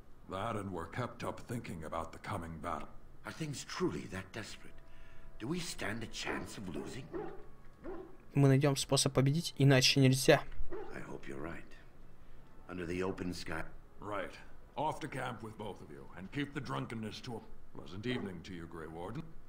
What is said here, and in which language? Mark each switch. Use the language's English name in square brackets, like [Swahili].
[English] That and we're kept up thinking about the coming battle. Are things truly that desperate? Do we stand a chance of losing? [Russian] Мы найдем способ победить, иначе нельзя. [English] I hope you're right. Under the open sky. Right. Off to camp with both of you, and keep the drunkenness to a pleasant evening to you, Grey Warden.